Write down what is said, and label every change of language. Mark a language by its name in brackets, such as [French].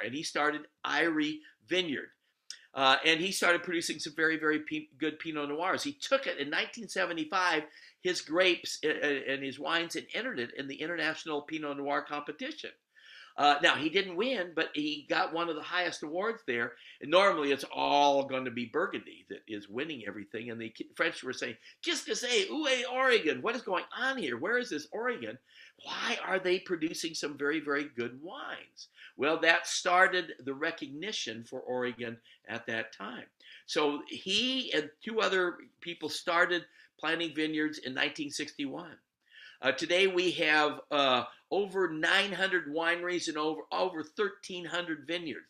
[English] And he started Irie Vineyard. And he started producing some very, very good Pinot Noirs. He took it in 1975, his grapes and his wines, and entered it in the International Pinot Noir competition. Now, he didn't win, but he got one of the highest awards there. And normally, it's all going to be Burgundy that is winning everything. And the French were saying, [French] qu'est-ce que c'est, où est Oregon? [English] What is going on here? Where is this Oregon? Why are they producing some very, very good wines? Well, that started the recognition for Oregon at that time. So he and two other people started planting vineyards in 1961. Today we have over 900 wineries and over 1,300 vineyards.